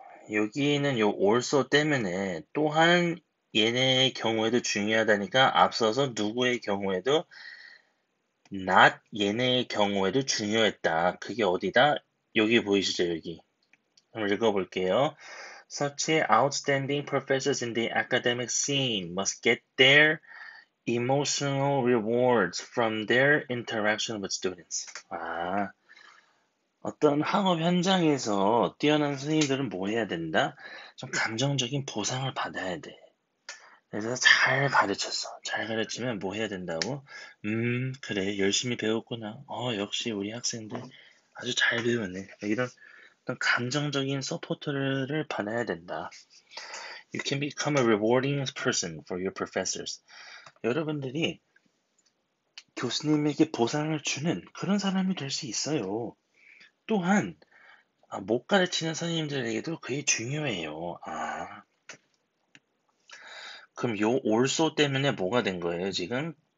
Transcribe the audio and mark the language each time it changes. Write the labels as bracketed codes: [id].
[ko] 여기에는 요 also 때문에 또한 얘네의 경우에도 중요하다니까 앞서서 누구의 경우에도 not 얘네의 경우에도 중요했다. 그게 어디다? 여기 보이시죠, 여기. 한번 읽어볼게요. [en] Such outstanding professors in the academic scene must get their emotional rewards from their interaction with students. [ko] 아, 어떤 학업 현장에서 뛰어난 선생님들은 뭐 해야 된다? 좀 감정적인 보상을 받아야 돼. 그래서 잘 가르쳤어. 잘 가르치면 뭐 해야 된다고? 그래, 열심히 배웠구나. 역시 우리 학생들 아주 잘 배웠네. 이런 감정적인 서포트를 받아야 된다. [en] You can become a rewarding person for your professors. [ko] 여러분들이 교수님에게 보상을 주는 그런 사람이 될수 있어요. 또한 못 가르치는 선생님들에게도 그게 중요해요. 아, 그럼 요 also 때문에 뭐가 된 거예요, 지금?